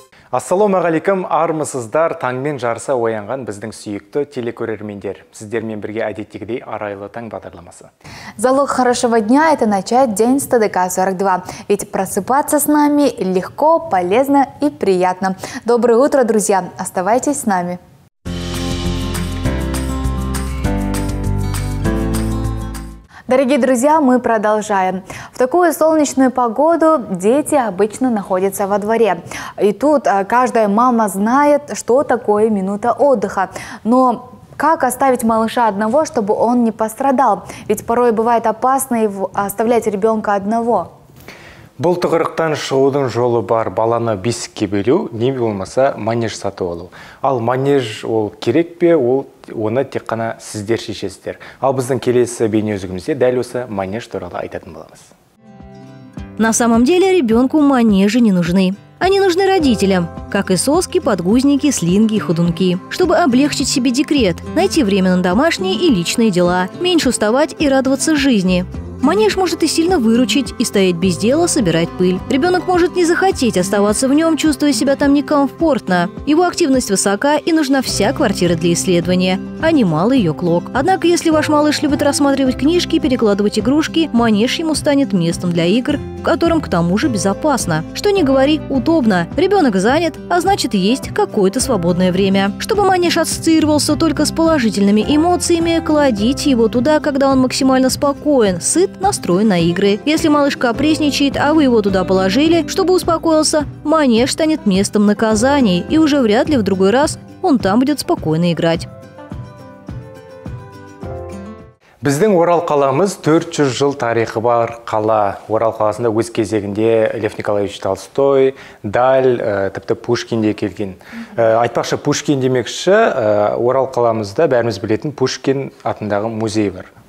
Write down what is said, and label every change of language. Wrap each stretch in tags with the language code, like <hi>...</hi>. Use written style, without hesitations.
<kk>Ассалому алейкум, армысыздар, таңмен жарыса оянған біздің сүйікті телекөрермендер. Сіздермен бірге әдеттегідей арайлы таң бағдарламасы.</kk> <ru>Залог хорошего дня – это начать день с ТДК-42. Ведь просыпаться с нами легко, полезно и приятно. Доброе утро, друзья! Оставайтесь с нами! Дорогие друзья, мы продолжаем. В такую солнечную погоду дети обычно находятся во дворе. И тут каждая мама знает, что такое минута отдыха. Но как оставить малыша одного, чтобы он не пострадал? Ведь порой бывает опасно оставлять ребенка одного.</ru> <kk>Бұл тұғырықтан шығудың жолы бар, баланы бесікке бөлу, не болмаса манеж сатып алу. Ал манеж ол керек пе, оны тек қана сіздер шешесіздер. Ал біздің келесі бейне өзігімізде дәл осы манеж туралы айтатын боламыз.</kk> <ru>На самом деле ребенку манежи не нужны. Они нужны родителям, как и соски, подгузники, слинги и ходунки, чтобы облегчить себе декрет, найти время на домашние и личные дела, меньше уставать и радоваться жизни. Манеж может и сильно выручить, и стоять без дела, собирать пыль. Ребенок может не захотеть оставаться в нем, чувствуя себя там некомфортно. Его активность высока, и нужна вся квартира для исследования, а не малый ее клок. Однако, если ваш малыш любит рассматривать книжки и перекладывать игрушки, манеж ему станет местом для игр, в котором, к тому же, безопасно. Что ни говори, удобно. Ребенок занят, а значит, есть какое-то свободное время. Чтобы манеж ассоциировался только с положительными эмоциями, кладите его туда, когда он максимально спокоен, сыт, настроен на игры. Если малыш капризничает, а вы его туда положили, чтобы успокоился, манеж станет местом наказаний, и уже вряд ли в другой раз он там будет спокойно играть.</ru> <kk>Біздің Орал қаламыз 400 жыл тарихы бар қала. Орал қаласында өз кезегінде Лев Николаевич Толстой, Даль, тіпті Пушкин де келген. Айтпақшы, Пушкин демекші, Орал қаламызда бәріміз білетін Пушкин атындағы музей бар.</kk>